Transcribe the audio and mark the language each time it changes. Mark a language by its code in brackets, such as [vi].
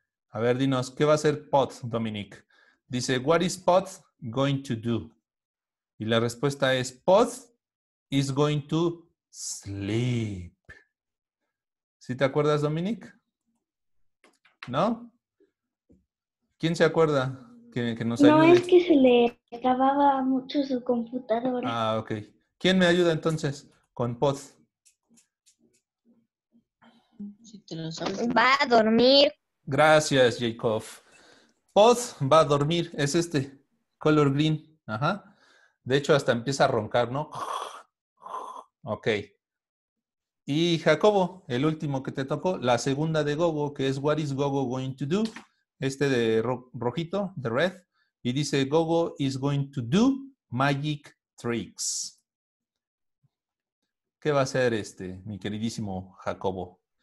[es] A ver, dinos, ¿qué va a hacer Pod, Dominic? [en] Dice, what is Pod going to do? [es] Y la respuesta es, [en] Pod is going to sleep. [es] ¿Sí te acuerdas, Dominic? ¿No? ¿Quién se acuerda que nos ayude? No, es que se le acababa mucho su computadora. Ah, ok. ¿Quién me ayuda entonces con Pod? Si te lo sabes. Va a dormir. Gracias, Jacob. Pod va a dormir. Es este, color green. Ajá. De hecho, hasta empieza a roncar, ¿no? Ok. Y Jacobo, el último que te tocó, la segunda de Gogo, que es [en] What is Gogo going to do? [es] Este de rojito, de red. [en] Y dice, Gogo is going to do magic tricks. [es] ¿Qué va a hacer este, mi queridísimo Jacobo?